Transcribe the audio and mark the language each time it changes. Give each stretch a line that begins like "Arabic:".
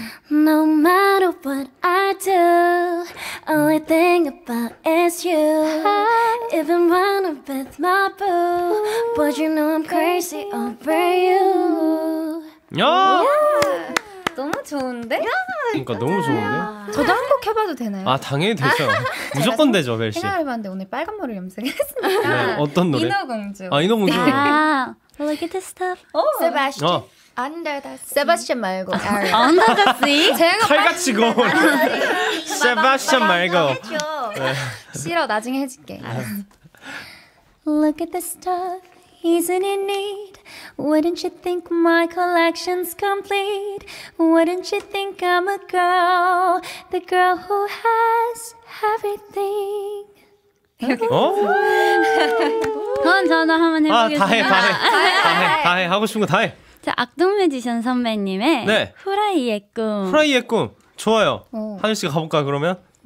English: No matter what I do, all I think about is you. Even when I'm with my boo, but you know I'm crazy over you. Yeah.
Korean: 너무 좋은데? 야, 그러니까 너무 좋은데? 저도 한 곡 해봐도 되나요? 당연히 되죠. 무조건 생, 되죠, 벨씨. 생활을 봤는데 오늘 빨간 머리를 염색했으니까. 네, 어떤 노래? 인어공주. 인어공주.
English: Look at this stuff. Sebastian. Under the sea.
Korean: 세바스찬 말고.
English: Under the sea?
Korean: 제가 칼같이 고. 세바스찬 말고. 싫어, 나중에 해줄게.
English: Look at the stuff. Isn't it neat? Wouldn't you think my collection's complete? Wouldn't you think I'm a girl? The girl who has everything.
Korean: 이렇게. 그건 저도 한번 해보겠습니다. 아, 다 해, 다 해. 다 해, 하고 싶은 거 다 해. 자, 악동뮤지션 선배님의 네. 후라이의 꿈. 후라이의 꿈. 좋아요. 하늘 씨가 가볼까요, 그러면?